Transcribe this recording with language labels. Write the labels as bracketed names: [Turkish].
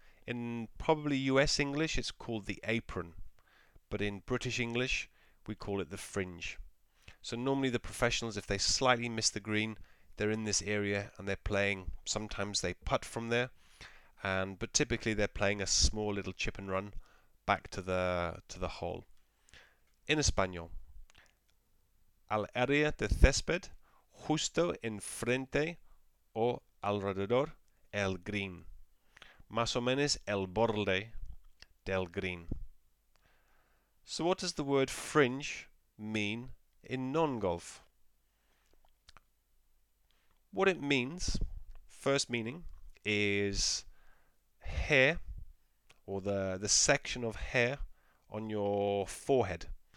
[English] In probably US English, it's called the apron. But in British English, we call it the fringe. So normally the professionals, if they slightly miss the green, they're in this area and they're playing. Sometimes they putt from there. But typically they're playing a small little chip and run back to the hole. In Espanol, [Spanish] al área de césped, justo enfrente o alrededor el green. Más o menos el borde del green. [English] So what does the word fringe mean in non-golf? What it means, first meaning, is hair, or the section of hair on your forehead.